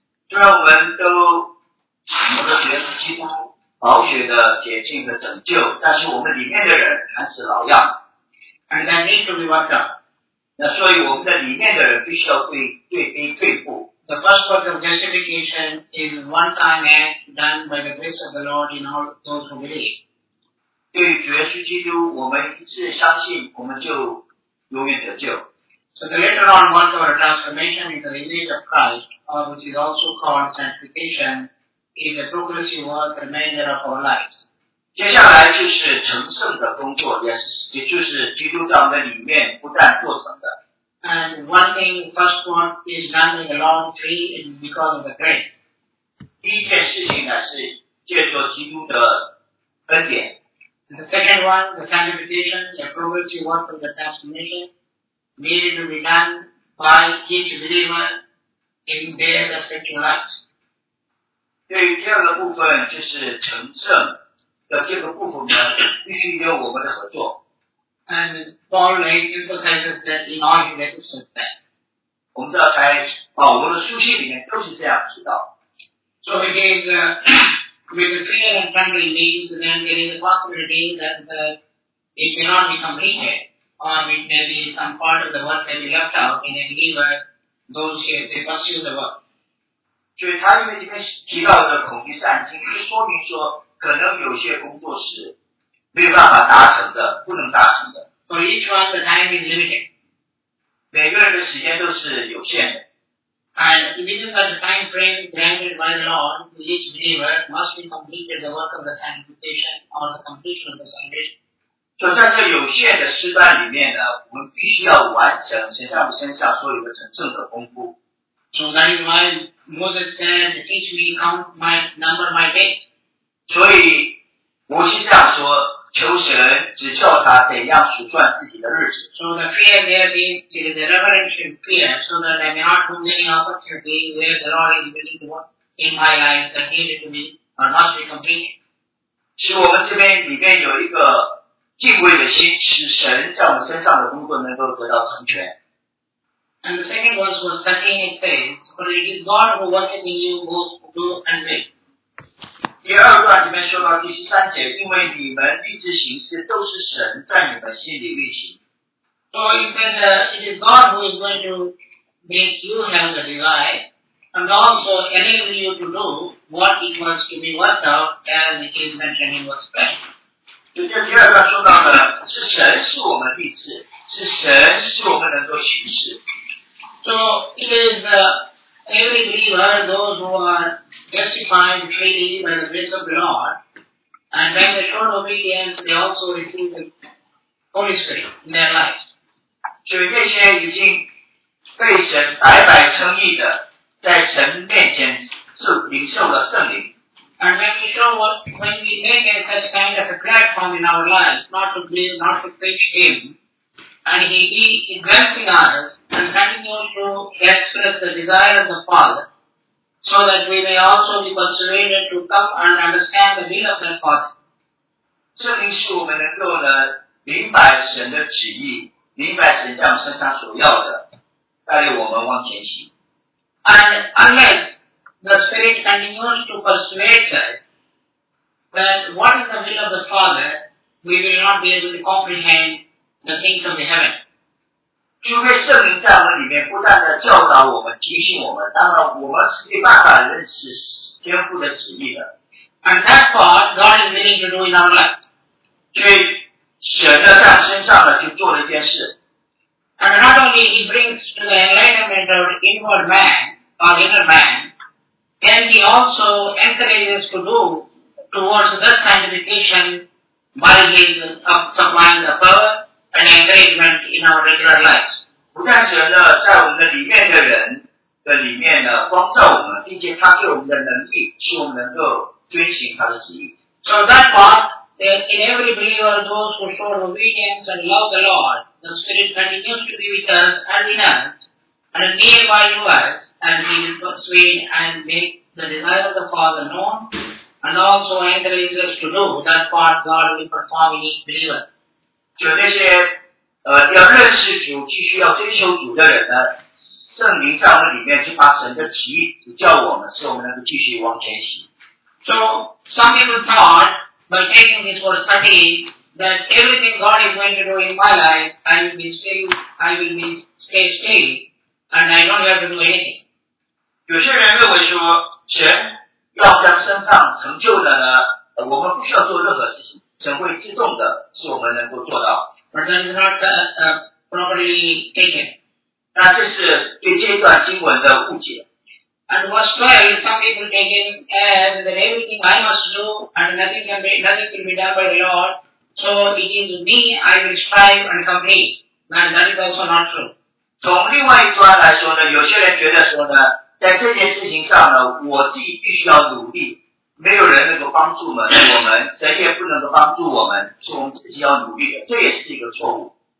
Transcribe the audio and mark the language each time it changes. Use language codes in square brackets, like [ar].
[zh] 虽然我们都有了耶稣基督宝血的洁净和拯救，但是我们里面的人还是老样子。 [en] And that needs to be worked out. [zh] 那所以我们的里面的人必须要对对非对付。 [en] The first work of justification is one time act done by the grace of the Lord in all those who believe. [zh] 对于主耶稣基督，我们一次相信，我们就永远得救。 [en] So the later on work of our transformation into the image of Christ, which is also called sanctification, is a progressive work the remainder of our lives. [zh] 接下来就是成圣的工作，也就是基督教的里面不断做成的。 [en] And one thing, first one is running along free because of the grace. [zh] 第一件事情呢是借着基督的恩典。 [en] The second one, the sanctification, the progressive work of the transformation, needed to be done by each believer in their respective lives. [zh] 对于第二个部分就是成圣。的这个部分呢，必须有我们的合作。 [en] And Paul emphasizes that in all his epistles. [zh] 我们知道在保罗的书信里面都是这样提到。 [en] So it is with the fear and trembling means, then there is a possibility that it cannot be completed, or it may be some part of the work that we left out in a believer, those who pursue the work. [zh] 所以他因为这边提到的恐惧战惊，就说明说。可能有些工作是没有办法达成的，不能达成的。 [en] So each one's time is limited. [zh] 每个人的时间都是有限的。 [en] And within the time frame granted by the Lord, each believer must be completed the work of the sanctification or the completion of the salvation. [zh] 所以在这有限的时段里面呢，我们必须要完成神在我们身上所有的成圣的功夫。 [en] So that is why Moses said, "Teach me count my number my days." [zh] 所以摩西这样说，求神指教他怎样数算自己的日子。 [en] So the fear there being is the reverence and fear, so that there may not come any opportunity where the Lord is willing to work in my life that needed to be or must be completed. [zh] 使我们这边里面有一个敬畏的心，使神在我们身上的工作能够得到成全。 [en] And the second verse was setting in faith, for it is God who worketh in you both to do and make. [zh] 第二段里面说到第十三节，因为你们一直行事都是神在你们心里运行。 [en] So it says that it is God who is going to make you have the desire and also enable you to do what it was to be worked out as it is mentioned in verse 10. [zh] 就像第二段说到的，是神使我们立志，是神使我们能够行事。 [en] So it is every believer, those who are. Justified freely by the grace of the Lord, and when they show obedience, they also receive the Holy Spirit in their lives. [zh] 所以那些已经被神白白称义的，在神面前是领受了圣灵。 [en] And when we show what, when we make a such kind of a platform in our lives, not to be, not to preach Him, and He is blessing us and continues to express the desire of the Father, so that we may also be persuaded to come and understand the will of the Father. [zh] 这里是我们能够呢明白神的旨意，明白神在我们身上所要的，带领我们往前行。 [en] And unless the Spirit continues to persuade us that what is the will of the Father, we will not be able to comprehend the things of the heaven. [zh] 除非圣灵在我们里面不断的教导我们、提醒我们，当然我们是没办法认识天父的旨意的。 [en] And that's what God is willing to do in our lives. [zh] 所以神的在身上呢，就做了一件事。 [en] And not only He brings to the enlightenment of inward man or inner man, then He also encourages to do towards that sanctification by His supplying the power and encouragement in our regular lives. [zh] 不但神呢，在我们的里面的人的里面呢，光照我们，并且他给我们的能力，使我们能够遵行他的旨意。 [en] So that part, in every believer, those who show obedience and love the Lord. The Spirit continues to be with us and in us, and nearby to us, and He will persuade and make the desire of the Father known, and also encourage us to do that part God will perform in each believer. [zh] 就那些要认识主、继续要追求主的人呢，圣灵在我们里面就把神的旨意指教我们，使我们能够继续往前行。 [en] So some people thought by taking this for study. That everything God is going to do in my life, I will stay still, and I don't have to do anything. [zh] 有些人认为说，神要将身上成就的呢，我们不需要做任何事情，神会自动的使我们能够做到。 [en] But that is not properly taken. [zh] 那这是对这段经文的误解。 [en] And verse 12, some people take it as that everything I must do, and nothing can be done by the Lord. So it is me, I will strive and complete. And that is also not true. [zh] 从另外一端来说呢，有些人觉得说呢，在这件事情上呢，我自己必须要努力，没有人能够帮助我们，谁也不能够帮助我们，是我们自己要努力的，这也是一个错误。